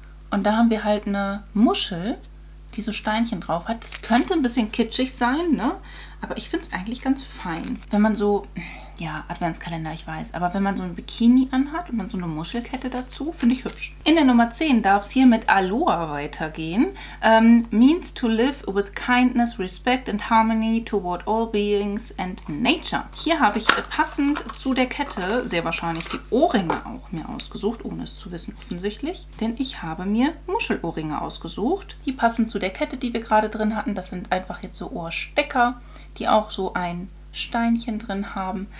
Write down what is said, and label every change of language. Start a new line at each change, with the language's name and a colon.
German: Und da haben wir halt eine Muschel, die so Steinchen drauf hat. Das könnte ein bisschen kitschig sein, ne? Aber ich finde es eigentlich ganz fein, wenn man so, ja, Adventskalender, ich weiß, aber wenn man so ein Bikini anhat und dann so eine Muschelkette dazu, finde ich hübsch. In der Nummer 10 darf es hier mit Aloha weitergehen.
English: Means to live with kindness, respect and harmony toward all beings and nature.
German: Hier habe ich passend zu der Kette sehr wahrscheinlich die Ohrringe auch mir ausgesucht, ohne es zu wissen offensichtlich. Denn ich habe mir Muschelohrringe ausgesucht. Die passen zu der Kette, die wir gerade drin hatten. Das sind einfach jetzt so Ohrstecker, die auch so ein Steinchen drin haben.